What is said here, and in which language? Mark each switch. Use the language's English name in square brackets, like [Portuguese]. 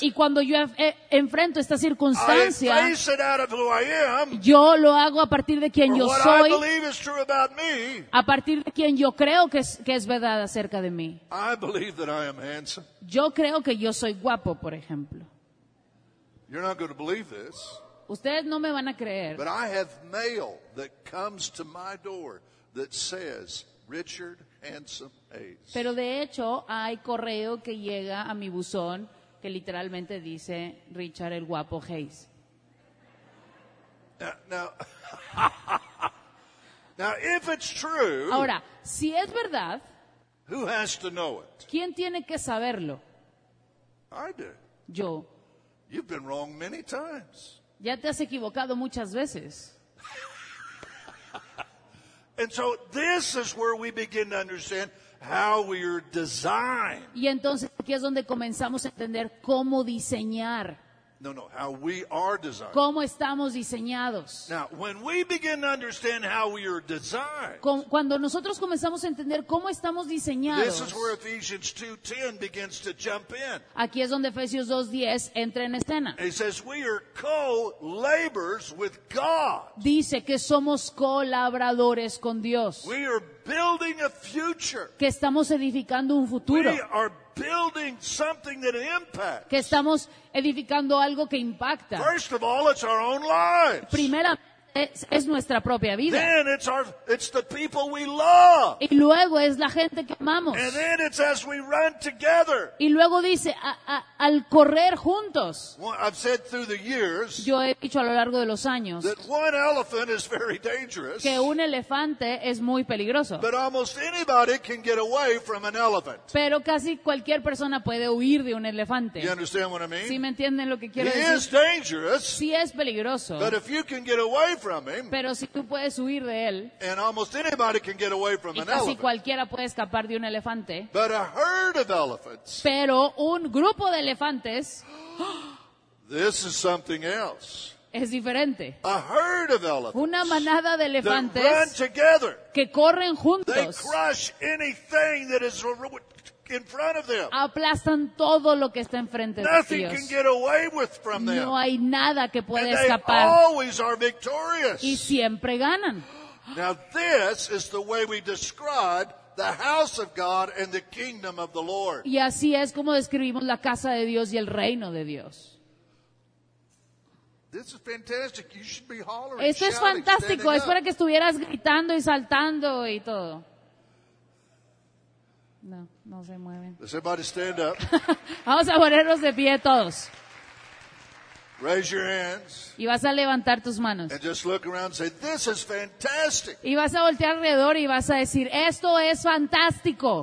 [Spanish] y cuando yo enfrento esta circunstancia, [English] I face it out of who I am, [Spanish] yo lo hago a partir de quien yo soy, [English] I believe is true about me, [Spanish] a partir de quien yo creo que es verdad acerca de mí. [English] I believe that I am handsome. [Spanish] Yo creo que yo soy guapo, por ejemplo. [English] You're not going to believe this. [Spanish] Ustedes no me van a creer. [English] But I have mail that comes to my door that says Richard Handsome Hayes. [Spanish] Pero de hecho hay correo que llega a mi buzón que literalmente dice Richard el guapo Hayes. [English] Now if it's true. [Spanish] Ahora, si es verdad, [English] who has to know it? [Spanish] ¿Quién tiene que saberlo? [English] I do. [Spanish] Yo. [English] You've been wrong many times. [Spanish] Ya te has equivocado muchas veces. [English] And so this is where we begin to understand how we are designed. [Spanish] Y entonces aquí es donde comenzamos a entender cómo diseñar. [English] No, how we are designed. [Spanish] ¿Cómo estamos diseñados? [English] Now, when we begin to understand how we are designed. [Spanish] Cuando nosotros comenzamos a entender cómo estamos diseñados. [English] This is where Ephesians 2:10 begins to jump in. [Spanish] Aquí es donde Efesios 2:10 entra en escena. [English] He says we are co-laborers with God. [Spanish] Dice que somos colaboradores con Dios. [English] We are building a future. [Spanish] Que estamos edificando un futuro. [English] We are building something that impacts. [Spanish] Que estamos edificando algo que impacta. [English] First of all, it's our own lives. [Spanish] Primera es nuestra propia vida. [English] Then it's the people we love. [Spanish] Y luego es la gente que amamos. [English] And then it's as we run together. [Spanish] Y luego dice al correr juntos. [English] Well, I've said through the years. [Spanish] Yo he dicho a lo largo de los años. [English] That one elephant is very dangerous. [Spanish] Que un elefante es muy peligroso. [English] But almost anybody can get away from an elephant. [Spanish] Pero casi cualquier persona puede huir de un elefante. [English] You understand what I mean? [Spanish] ¿Sí me entienden lo que quiero [English] He [Spanish] decir? [English] He is dangerous. [Spanish] Sí es peligroso. [English] But if you can get away from him, [Spanish] pero si tú puedes huir de él, [English] and almost anybody can get away from an elephant, [Spanish] y casi cualquiera puede escapar de un elefante, [English] but a herd of elephants, [Spanish] pero un grupo de elefantes, [English] this is something else. [Spanish] Es diferente. [English] A herd of elephants, [Spanish] una manada de elefantes, [English] that run together, [Spanish] que corren juntos, [English] they crush anything that is in front of them. [Spanish] Aplastan todo lo que está enfrente de [English] Nothing [Spanish] ellos. [English] Can get away with from them. [Spanish] No hay nada que pueda [English] And [Spanish] escapar. [English] They always are victorious. [Spanish] Y siempre ganan. [English] Now this is the way we describe the house of God and the kingdom of the Lord. [Spanish] Y así es como describimos la casa de Dios y el reino de Dios. [English] This is fantastic. You should be hollering. [Spanish] Esto es fantástico. Es para que estuvieras gritando y saltando y todo. No se mueven. [English] Does everybody stand up? [Spanish] Vamos a ponernos de pie todos. [English] Raise your hands. [Spanish] Y vas a levantar tus manos. [English] And just look around and say, "This is fantastic." [Spanish] Y vas a voltear alrededor y vas a decir, "Esto es fantástico."